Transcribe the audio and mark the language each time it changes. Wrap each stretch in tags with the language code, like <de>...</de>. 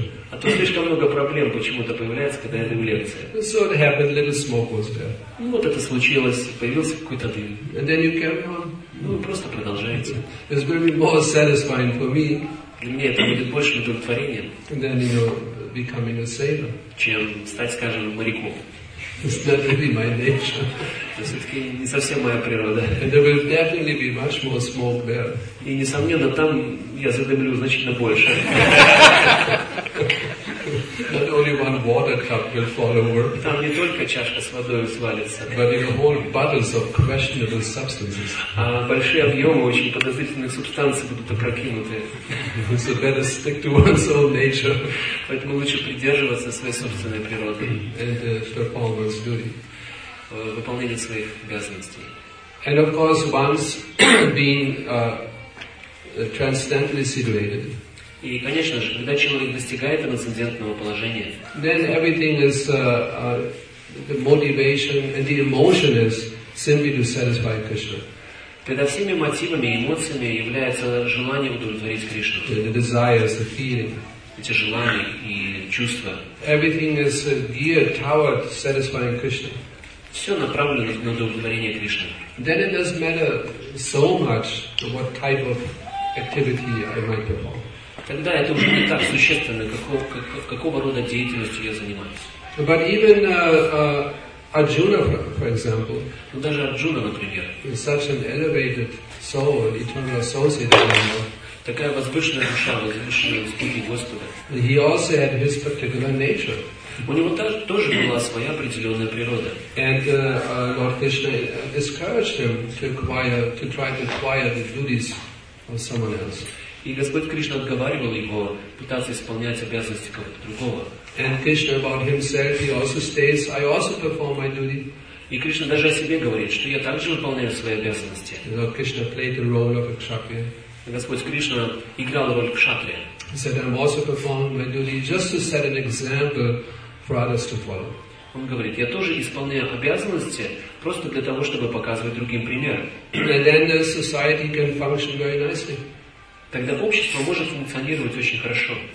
<ru>А то слишком много проблем почему-то появляется, когда я даю лекции.</ru> <en>So it happened, little smoke was there.</en> <ru>Ну вот это случилось, появился какой-то дым.</ru> <en>And then you carry on.</en> <ru>Ну, просто продолжайте.</ru> <en>It's going to be more satisfying for me.</en> <ru>Для меня это будет большим удовлетворением.</ru> <en>And then, you know, becoming a sailor.</en> <ru>Чем стать, скажем, моряком.</ru> <en>It's not going to be my nature.</en> <ru>Это все-таки не совсем моя природа.</ru> <en>And there will definitely be much more smoke there.</en> <ru>И, несомненно, там я задымлю значительно больше.</ru> <en>Not only one water cup will fall over.</en> <ru>Там не только чашка с водой свалится.</ru> <en>But even whole bottles of questionable substances.</en> <ru>А большие объемы очень подозрительных субстанций будут опрокинуты.</ru> <en>So better stick to one's own nature.</en> <ru>Поэтому лучше придерживаться своей собственной природы.</ru> <en>And perform one's duty.</en> <ru>Выполнение своих обязанностей.</ru> <en>And of course, once being transcendentally situated.</en> <ru>И, конечно же, когда человек достигает трансцендентного положения,</ru> <en>then everything is the motivation and the emotion is simply to satisfy Krishna.</en> <ru>Тогда всеми мотивами и эмоциями является желание удовлетворить Кришну.</ru> <en>The desires, the feeling.</en> <ru>Эти желания и чувства.</ru> <en>Everything is geared toward satisfying Krishna.</en> <ru>Все направлено на удовлетворение Кришны.</ru> <en>Then it doesn't matter so much what type of activity I might perform.</en> <ru>Тогда это уже не так существенно, какого рода деятельностью я занимаюсь.</ru> <en>But even Arjuna, for example,</en> <ru>но даже Арджуна, например,</ru> <en>is such an elevated soul, eternal associate of Brahma,</en> <ru>такая возвышенная душа, возвышенная спутник Господа.</ru> <en>He also had his particular nature.</en> <ru>У него тоже была своя определенная природа.</ru> <en>And Lord Krishna discouraged him to try to acquire the duties of someone else.</en> <ru>И Господь Кришна отговаривал его пытаться исполнять обязанности кого-то другого.</ru> <en>And Krishna about himself, he also states, I also perform my duty.</en> <ru>И Кришна даже о себе говорит, что я также выполняю свои обязанности.</ru> <en>Lord Krishna played the role of a kshatriya.</en> <ru>Господь Кришна играл роль кшатрия.</ru> <en>He said, I'm also performing my duty just to set an example for others to follow.</en> <ru>Он говорит, я тоже исполняю обязанности просто для того, чтобы показывать другим пример.</ru> <en>And then the society can function very nicely.</en> <ru>Тогда общество может функционировать очень хорошо.</ru>